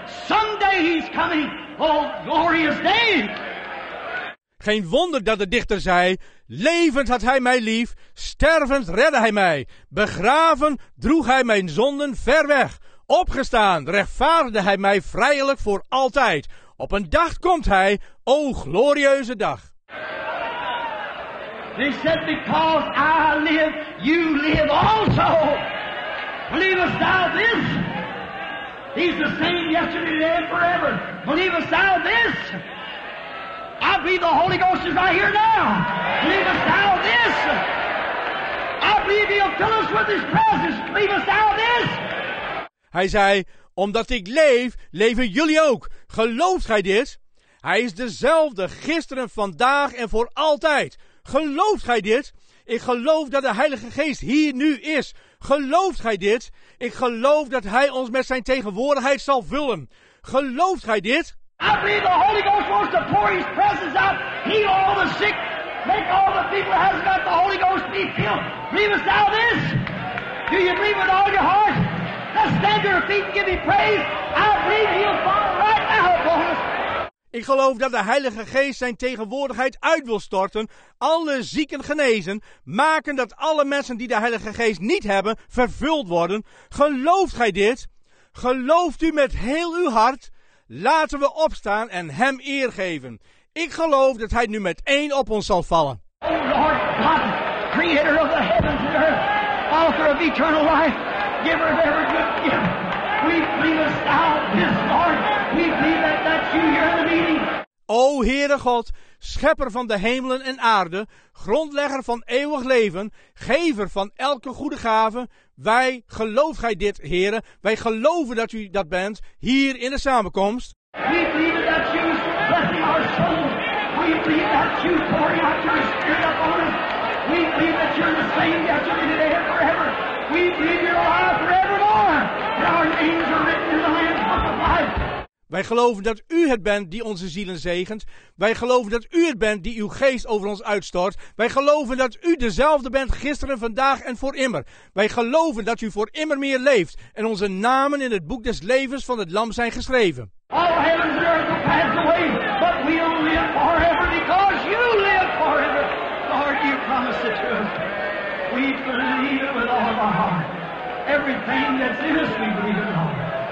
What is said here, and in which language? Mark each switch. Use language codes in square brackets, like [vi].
[en] Someday he's coming. Oh, glorious day." [nl] Geen wonder dat de dichter zei, "Levend had hij mij lief, stervend redde hij mij. Begraven droeg hij mijn zonden ver weg. Opgestaan rechtvaardigde hij mij vrijelijk voor altijd. Op een dag komt hij, o glorieuze dag." [en] He said, "Because I live, you live also. Believest thou this? He's the same yesterday, today, and forever. Believest thou this? I believe the Holy Ghost is right here now. Believest thou this? I believe he'll fill us with his presence. Believest thou this?" [nl] Hij zei, "Omdat ik leef, leven jullie ook. Gelooft gij dit? Hij is dezelfde gisteren, vandaag en voor altijd. Gelooft gij dit? Ik geloof dat de Heilige Geest hier nu is. Gelooft gij dit? Ik geloof dat hij ons met zijn tegenwoordigheid zal vullen. Gelooft gij dit? [en] I believe the Holy Ghost wants to pour his presence out, heal all the sick, make all the people that hasn't got the Holy Ghost be healed. Believest thou this? Do you believe with all your heart? Let's stand to your feet and give him praise. I believe he'll fall right now upon us." [nl] Ik geloof dat de Heilige Geest zijn tegenwoordigheid uit wil storten, alle zieken genezen, maken dat alle mensen die de Heilige Geest niet hebben, vervuld worden. Gelooft gij dit? Gelooft u met heel uw hart? Laten we opstaan en hem eer geven. Ik geloof dat hij nu met één op ons zal vallen. [en] O Lord God, creator of the heavens and earth, author of eternal life, giver of every good gift. We believe us now, this Lord. We believe that that's you here in the meeting. [nl] O Heere God, schepper van de hemelen en aarde, grondlegger van eeuwig leven, gever van elke goede gave, wij, geloof gij dit, Heere, wij geloven dat u dat bent, hier in de samenkomst. [en] We believe that you are blessing our souls. We believe that you are pouring out your spirit upon us. We believe that you are the same yesterday, today and forever. We believe you are alive forevermore. And our names are written in the Lamb's Book of Life. [nl] Wij geloven dat u het bent die onze zielen zegent. Wij geloven dat u het bent die uw geest over ons uitstort. Wij geloven dat u dezelfde bent gisteren, vandaag en voor immer. Wij geloven dat u voor immer meer leeft en onze namen in het boek des levens van het Lam zijn geschreven. [en] All heavens and earth will pass away, but we'll live forever because you live forever. Lord, you promised it to us. We believe it with all of our heart. Everything that's in us, we believe it all.